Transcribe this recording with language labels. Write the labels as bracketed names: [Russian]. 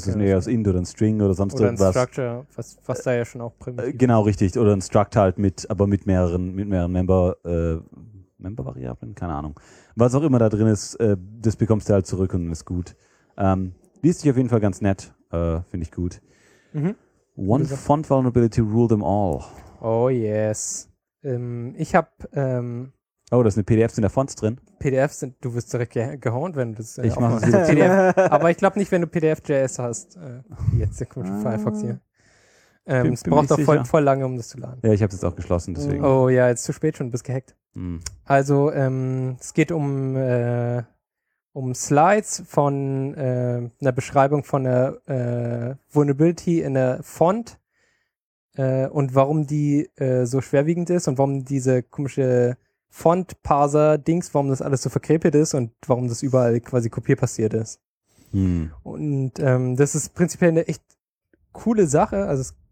[German] Okay, das ist eher aus Int oder ein String oder sonst oder irgendwas. Ein Structure, was da ja schon auch primitiv ist. Genau, richtig. Oder ein Struct halt mit mehreren Member-Variablen, keine Ahnung. Was auch immer da drin ist, das bekommst du halt zurück und ist gut. Liest sich auf jeden Fall ganz nett. Finde ich gut. [English] One font vulnerability rule them all. Oh yes. [German] Ich habe. Oh, da sind PDFs in der Fonts drin. PDFs sind. Du wirst direkt gehauen, wenn du das. Ich mache es wieder. Aber ich glaube nicht, wenn du PDF.js hast. Jetzt der komische Firefox hier. Es braucht doch voll lange, um das zu laden. Ja, ich habe es jetzt auch geschlossen, deswegen. Oh ja, jetzt zu spät schon, du bist gehackt. Also, es geht um Slides von einer Beschreibung von einer Vulnerability in der Font und warum die so schwerwiegend ist und warum diese komische Font-Parser-Dings, warum das alles so verkrepelt ist und warum das überall quasi kopierpassiert ist. Und das ist prinzipiell eine echt coole Sache. Also es